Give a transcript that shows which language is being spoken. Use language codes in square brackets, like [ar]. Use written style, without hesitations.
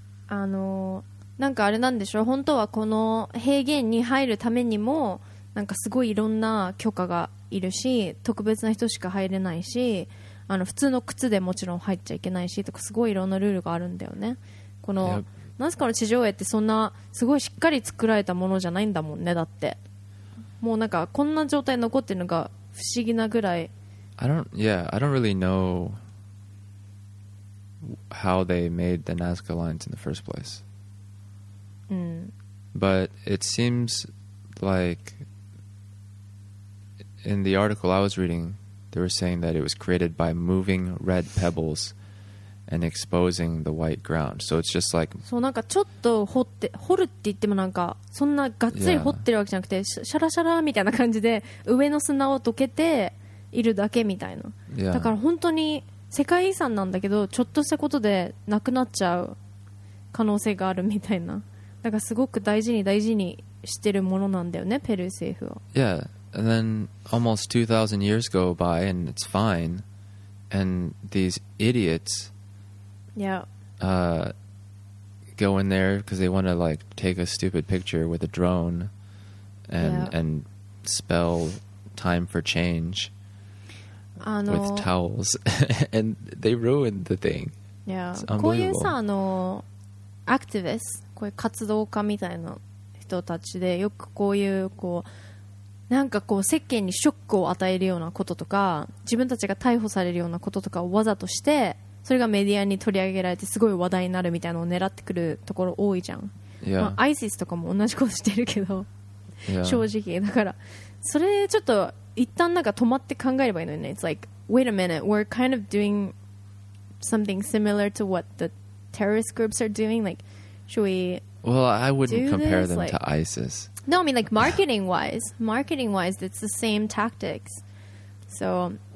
[ja] なんかあれなんでしょう、本当はこの平原に入るためにもなんかすごいいろんな許可がいるし、特別な人しか入れないし、普通の靴でもちろん入っちゃいけないしとか、すごいいろんなルールがあるんだよね。このナスカの地上絵ってそんなすごいしっかり作られたものじゃないんだもんね。だってもうなんかこんな状態残ってるのが不思議なぐらい。 [en] I don't really know how they made the Nazca lines in the first place、 [ja] うん、 [en] but it seems like in the article I was readingthey were saying that it was created by moving red pebbles and exposing the white ground. So it's just like... [ja] そう、なんかちょっと掘って、掘るって言ってもなんかそんながっつり掘ってるわけじゃなくて、シャラシャラみたいな感じで上の砂を溶けているだけみたいな。 [en] Yeah. [ja] だから本当に世界遺産なんだけど、ちょっとしたことでなくなっちゃう可能性があるみたいな。だからすごく大事に大事にしてるものなんだよね、ペルー政府は。 [en] Yeah. And then almost 2,000 years go by and it's fine. And these idiots、 yeah. Go in there because they want to like take a stupid picture with a drone and,、 yeah. and spell time for change with towels. and they ruined the thing. Yeah. [ja] こういうさ、activist、こういう活動家みたいな人たちでよくこういうこうなんかこう世間にショックを与えるようなこととか、自分たちが逮捕されるようなこととかをわざとして、それがメディアに取り上げられてすごい話題になるみたいなのを狙ってくるところ多いじゃん、 [en] yeah. [ja] まあ、ISIS とかも同じことしてるけど、 [en] yeah. [ja] 正直だからそれちょっと一旦なんか止まって考えればいいのよね。 [en] It's like wait a minute, we're kind of doing something similar to what the terrorist groups are doing, like should we well I wouldn't do compare、 this? them、like, to ISIS No, I mean, like, marketing-wise, marketing-wise, it's the same tactics. So,